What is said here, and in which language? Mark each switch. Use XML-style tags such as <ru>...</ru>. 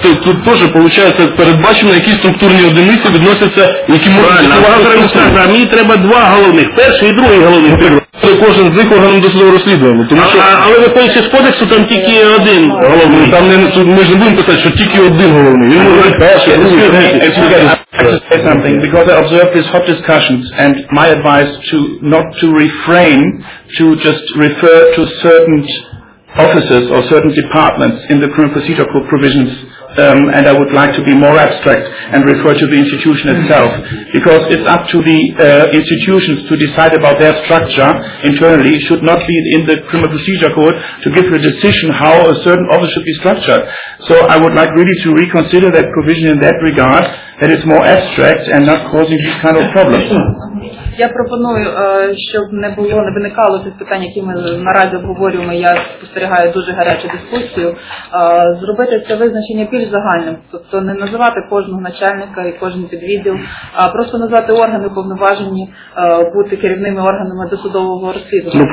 <uk>Тут теж, виходить, передбачено, які структурні одиниці відносяться, які можуть... А мені треба два головних, перший і другий головний підрозділ. Кожен з них органом досудового розслідування. Але виходячи з кодексу, там тільки один головний. Там ми ж не будемо писати, що тільки один головний. Він може бути перший, другий.</uk> <en>I just say something because I observed these hot discussions and my advice to not to refrain to just refer to certain offices or certain departments in the criminal procedure code provisions and I would like to be more abstract and refer to the institution itself because it's up to the institutions to decide about their structure internally. It should not be in the criminal procedure code to give a decision how a certain office should be structured. So I would like really to reconsider that provision in that regard. That is more abstract and not causing these kind of problems.</en> <uk>Я пропоную, щоб не було, не виникало цих питань, які ми наразі обговорюємо, я спостерігаю дуже гарячу дискусію, зробити це визначення більш загальним, тобто не називати кожного начальника і кожен підвідділ, а просто назвати органи повноважені бути керівними органами досудового розслідування.</uk>